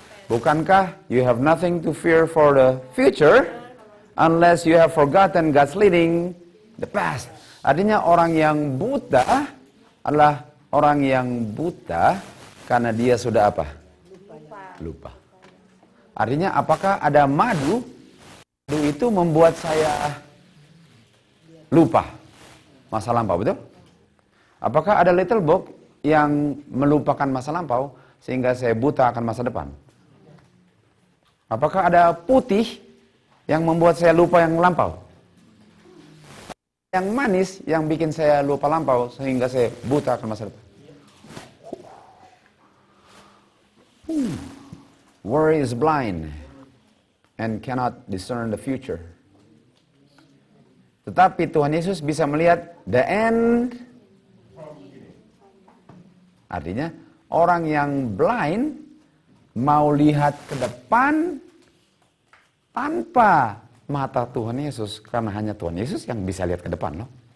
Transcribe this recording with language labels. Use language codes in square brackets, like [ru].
[id] Bukankah [en] you have nothing to fear for the future unless you have forgotten God's leading the past. [id] Artinya orang yang buta adalah orang yang buta karena dia sudah apa? Lupa. Artinya apakah ada madu? Madu itu membuat saya lupa masa lampau, betul? Apakah ada little book yang melupakan masa lampau sehingga saya buta akan masa depan? Apakah ada putih yang membuat saya lupa yang lampau? Yang manis yang bikin saya lupa lampau sehingga saya buta akan masa depan? [en] Worry is blind and cannot discern the future. [id] Tetapi Tuhan Yesus bisa melihat [en] the end. [id] Artinya orang yang blind mau lihat ke depan tanpa mata Tuhan Yesus, karena hanya Tuhan Yesus yang bisa lihat ke depan loh.